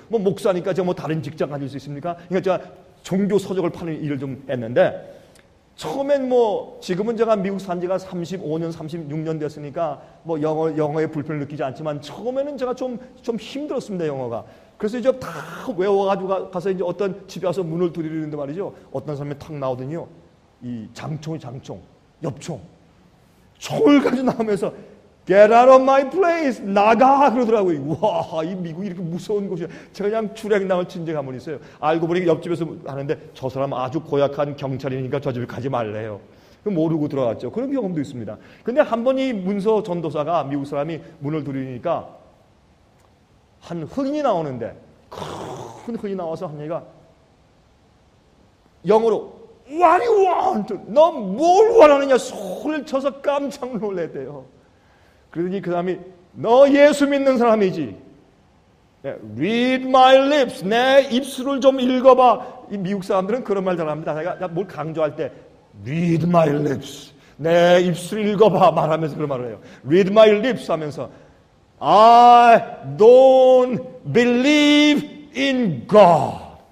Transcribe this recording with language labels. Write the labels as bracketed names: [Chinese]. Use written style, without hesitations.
[Korean] 뭐 목사니까 제가 뭐 다른 직장 가질 수 있습니까? 그러니까 제가 종교 서적을 파는 일을 좀 했는데 처음엔 뭐 지금은 제가 미국 산 지가 35년, 36년 됐으니까 뭐 영어의 불편을 느끼지 않지만 처음에는 제가 좀 힘들었습니다, 영어가. 그래서 이제 다 외워가지고 가서 이제 어떤 집에 와서 문을 두드리는데 말이죠. 어떤 사람이 탁 나오더니요. 이 장총, 엽총. 총을 가지고 나오면서 [English] Get out of my place! [Korean] 나가! 그러더라고요. 와, 이 미국이 이렇게 무서운 곳이야. 제가 그냥 출애굽남을 친 적이 한번 있어요. 알고 보니 옆집에서 하는데 저 사람 아주 고약한 경찰이니까 저 집에 가지 말래요. 모르고 들어갔죠. 그런 경험도 있습니다. 근데 한 번 이 문서 전도사가 미국 사람이 문을 두드리니까 한 흔히 나오는데 큰 흔히 나와서 한 얘기가 영어로 [English] What do you want? [Korean] 너 뭘 원하느냐? 소리를 쳐서 깜짝 놀랐대요. 그러더니 그 사람이 너 예수 믿는 사람이지. [English] Read my lips. [Korean] 내 입술을 좀 읽어봐. 이 미국 사람들은 그런 말 잘합니다. 제가 뭘 강조할 때 [English] Read my lips. [Korean] 내 입술 읽어봐 말하면서 그런 말을 해요. [English] Read my lips [Korean] 하면서 [English] I don't believe in God.